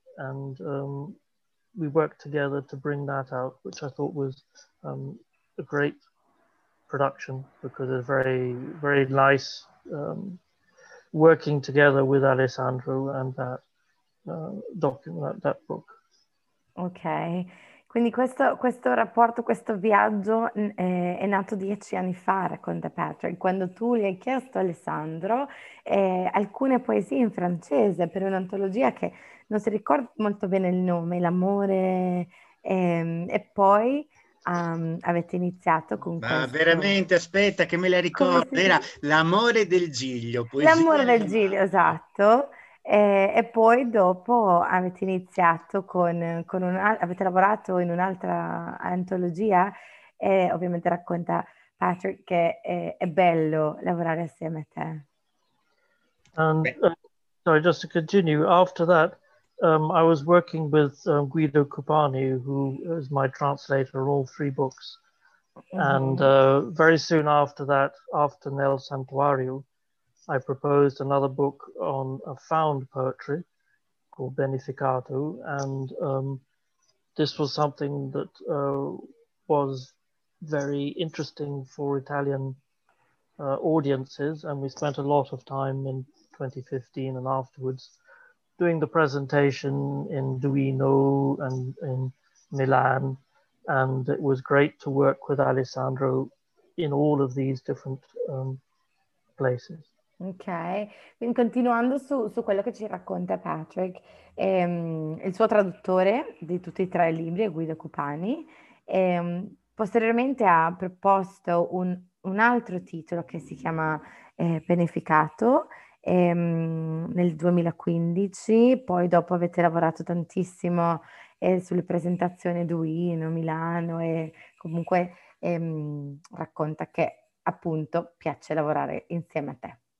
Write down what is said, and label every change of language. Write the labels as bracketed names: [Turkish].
[English] And we worked together to bring that out, which I thought was a great production, because it's very, very nice working together with Alessandro and that document, that book. Okay. [Italian] Quindi questo rapporto, questo viaggio è nato 10 anni fa, racconta Patrick, quando tu gli hai chiesto, Alessandro, alcune poesie in francese per un'antologia che non si ricorda molto bene il nome, L'Amore, e poi avete iniziato con Ma Ma veramente, aspetta che me la ricordo, era L'Amore del Giglio. Poesia. L'Amore del Giglio, esatto. E poi dopo avete iniziato avete lavorato in un'altra antologia, e ovviamente racconta Patrick che è bello lavorare assieme a te. [English] And, sorry, just to continue, after that I was working with Guido Cupani, who is my translator of all three books. Mm-hmm. And very soon after that, after Nel Santuario, I proposed another book on a found poetry called Beneficato, and this was something that was very interesting for Italian audiences, and we spent a lot of time in 2015 and afterwards doing the presentation in Duino and in Milan, and it was great to work with Alessandro in all of these different places. [Italian] Ok, quindi continuando su quello che ci racconta Patrick, il suo traduttore di tutti e tre i libri è Guido Cupani, posteriormente ha proposto un altro titolo che si chiama Beneficato nel 2015, poi dopo avete lavorato tantissimo sulle presentazioni Duino, Milano, e comunque racconta che appunto piace lavorare insieme a te.